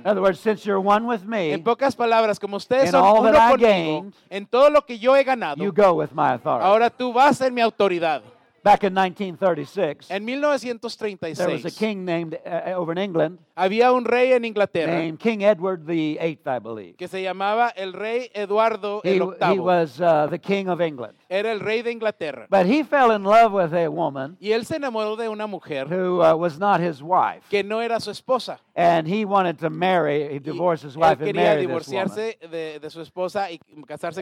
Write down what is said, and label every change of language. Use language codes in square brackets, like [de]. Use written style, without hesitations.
[en] In other words, since you're one with me, [es] en pocas palabras, como ustedes [en] in [es] son [en] all [es] uno [en] that [es] conmigo, [en] I gained, [es] en todo lo que yo he ganado, [en] you go with my authority. [es] Ahora tú vas en mi autoridad. [en] Back in 1936, [es] en 1936, [en] there was a king named over in England. [es] Había un rey en Inglaterra, [en] named King Edward VIII, I believe. [es] Que se llamaba el rey Eduardo el octavo. [en] He was the king of England. [es] Era el rey de Inglaterra. [en] But he fell in love with a woman. [es] Y él se enamoró de una mujer [en] who was not his wife. [es] Que no era su esposa. [en] And he wanted to marry, he divorced his wife and marry this woman. [es] Él quería divorciarse de su esposa y casarse